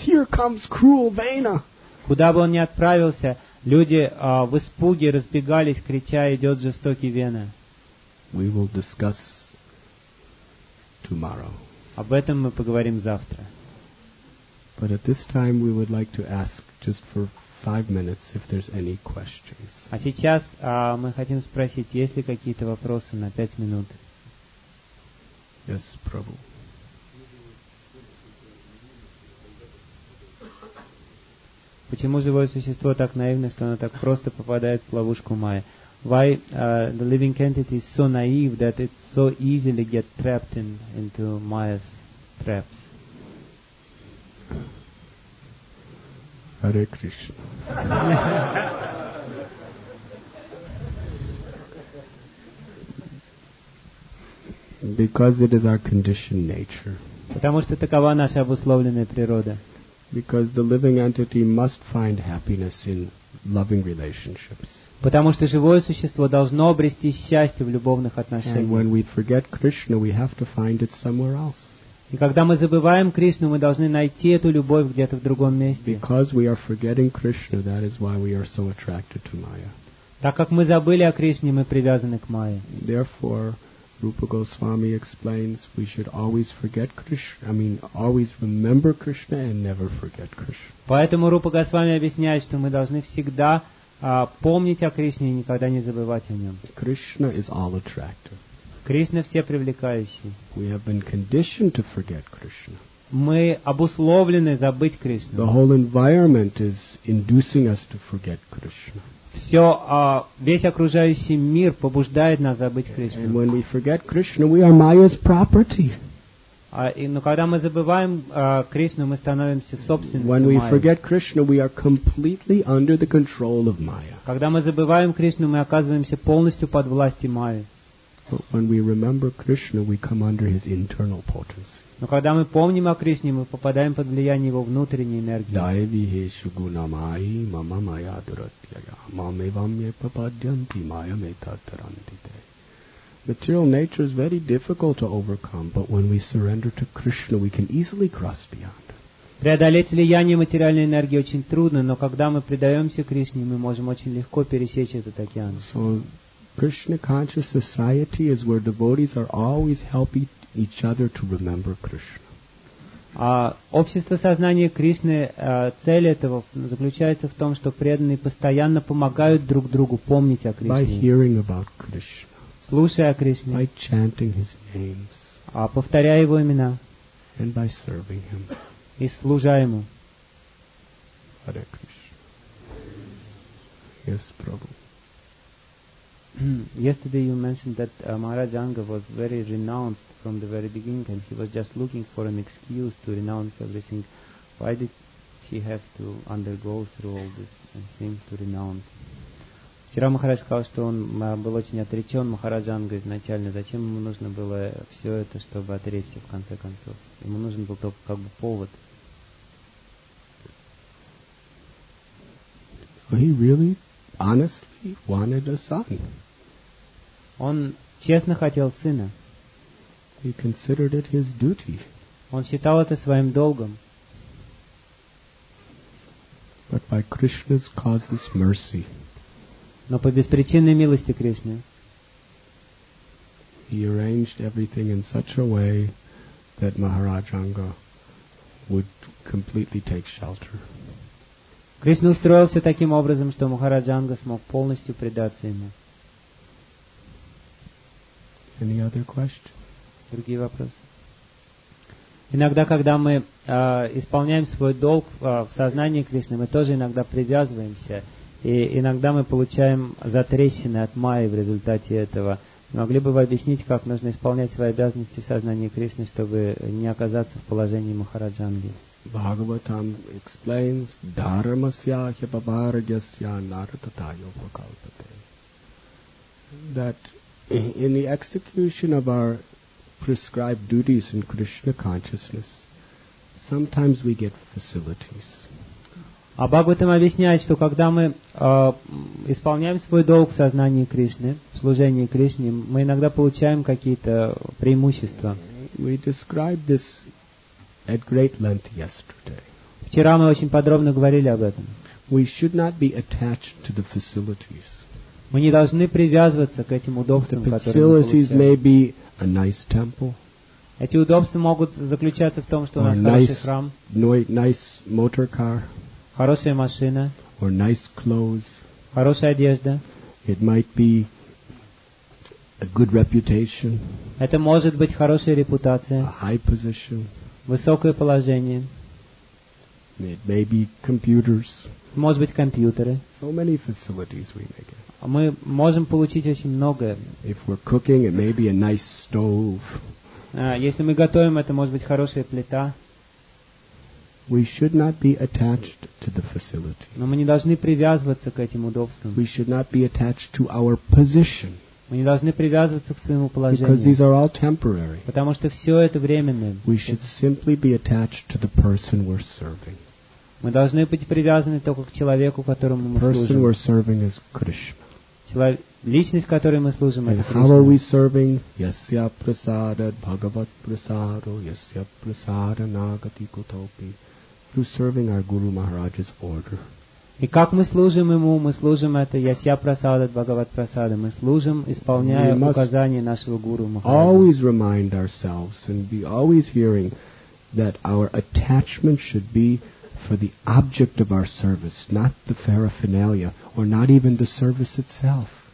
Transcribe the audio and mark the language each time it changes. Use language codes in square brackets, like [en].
[en] Here comes cruel Vena. [ru] Куда бы он ни отправился, люди в испуге разбегались, крича: «Идет жестокий Вена». [en] We will discuss tomorrow. [ru] Об этом мы поговорим завтра. [en] But at this time we would like to ask just for 5 minutes if there's any questions. [ru] А сейчас мы хотим спросить, есть ли какие-то вопросы на 5 минут. [en] Yes, Prabhu. [ru] Почему живое существо так наивно, что оно так просто попадает в ловушку майя? [en] Why the living entity is so naive that it so easily get trapped into Maya's traps? Hare Krishna. Because it is our conditioned nature. [ru] Потому что такова наша обусловленная природа. [en] Because the living entity must find happiness in loving relationships. [ru] Потому что живое существо должно обрести счастье в любовных отношениях. [en] And when we forget Krishna, we have to find it somewhere else. [ru] И когда мы забываем Кришну, мы должны найти эту любовь где-то в другом месте. [en] Because we are forgetting Krishna, that is why we are so attracted to Maya. [ru] Так как мы забыли о Кришне, мы привязаны к Майе. [en] Therefore, Rupa Goswami explains, we should always forget Krishna. I mean, always remember Krishna and never forget Krishna. [ru] Поэтому Рупа Госвами объясняет, что мы должны всегда помнить о Кришне и никогда не забывать о нем. [en] Krishna is all attractive. [ru] Кришна все привлекающий. [en] We have been conditioned to forget Krishna. [ru] Мы обусловлены забыть Кришну. [en] The whole environment is inducing us to forget Krishna. [ru] Все, весь окружающий мир побуждает нас забыть Кришну. [en] And when we forget Krishna, we are Maya's property. [ru] Но когда мы забываем Кришну, мы становимся собственностью [en] Майи. When we forget Krishna, we are completely under the control of Maya. [ru] Когда мы забываем Кришну, мы оказываемся полностью под властью Майи. [en] But when we remember Krishna, we come under his internal potency. [ru] Но когда мы помним о Кришне, мы попадаем под влияние его внутренней энергии. [sa] Дайвихе сугунамай мама майя дуратьяя мамевамье пападьянти майя метатарандите. [en] Material nature is very difficult to overcome, but when we surrender to Krishna, we can easily cross beyond it. [ru] Преодолеть влияние материальной энергии очень трудно, но когда мы предаемся Кришне, мы можем очень легко пересечь этот океан. [en] So, Krishna conscious society is where devotees are always helping each other to remember Krishna. [ru] Общество сознания Кришны, цель этого заключается в том, что преданные постоянно помогают друг другу помнить о Кришне. [en] By hearing about Krishna. [ru] Слушая о Кришне, [en] by chanting his names, [ru] повторяя его имена, [en] and by serving him. [ru] И служа ему. [en] Hare Krishna. Yes, Prabhu. Yesterday you mentioned that Maharaj Anga was very renounced from the very beginning, and he was just looking for an excuse to renounce everything. Why did he have to undergo through all this and seem to renounce? [ru] Вчера Махарадж сказал, что он был очень отречен, Махарадж Анга, изначально. Зачем ему нужно было все это, чтобы отречься в конце концов? Ему нужен был только как бы повод. [en] He really, honestly wanted a son. [ru] Он честно хотел сына. [en] He considered it his duty. [ru] Он считал это своим долгом. [en] But by Krishna's causeless mercy, [ru] но по беспричинной милости Кришны, [en] he arranged everything in such a way that Maharaj Anga would completely take shelter. [ru] Кришна устроил все таким образом, что Махарадж Анга смог полностью предаться ему. [en] Any other question? [ru] Другие вопросы? Иногда, когда мы исполняем свой долг в сознании Кришны, мы тоже иногда привязываемся. И иногда мы получаем затрещины от Майи в результате этого. Могли бы вы объяснить, как нужно исполнять свои обязанности в сознании Кришны, чтобы не оказаться в положении Махараджа Анги? [en] Бхагаватам explains, [sa] dharmasya hyapavargyasya narutatayo pakalpate. [en] That In the execution of our prescribed duties in Krishna consciousness, sometimes we get facilities. [ru] А Бхагаватам объясняет, что когда мы исполняем свой долг в сознании Кришны, в служении Кришне, мы иногда получаем какие-то преимущества. [en] We described this at great length yesterday. [ru] Вчера мы очень подробно говорили об этом. [en] We should not be attached to the facilities. [ru] Мы не должны привязываться к этим удобствам, которые мы получаем. [en] The facilities may be a nice temple. [ru] Эти удобства могут заключаться в том, что у нас хороший храм. [en] Nice motor car. [ru] Хорошая машина. [en] Or nice clothes. [ru] Хорошая одежда. [en] It might be a good reputation. [ru] Это может быть хорошая репутация. [en] A high position. [ru] Высокое положение. [en] It may be computers. [ru] Может быть компьютеры. [en] So many facilities we may get. [ru] Мы можем получить очень многое. [en] If we're cooking, it may be a nice stove. [ru] Если мы готовим, это может быть хорошая плита. [en] We should not be attached to the facility. [ru] Но мы не должны привязываться к этим удобствам. [en] We should not be attached to our position. [ru] Мы не должны привязываться к своему положению. [en] Because these are all temporary. [ru] Потому что все это временное. [en] We should simply be attached to the person we're serving. [ru] Мы должны быть привязаны только к человеку, которому мы служим. [en] Person we're serving is Krishna. [ru] Личность, которой мы служим, это Кришна. [en] How are we serving? [sa] Yasya prasada bhagavat prasado, yasya prasada nagati kutopi. [en] Through serving our Guru Maharaj's order. [ru] И как мы служим ему? Мы служим это [sa] yasya prasada bhagavat prasada. [ru] Мы служим, исполняя указания нашего Гуру Махараджа. [en] Always remind ourselves and be always hearing that our attachment should be for the object of our service, not the paraphernalia, or not even the service itself.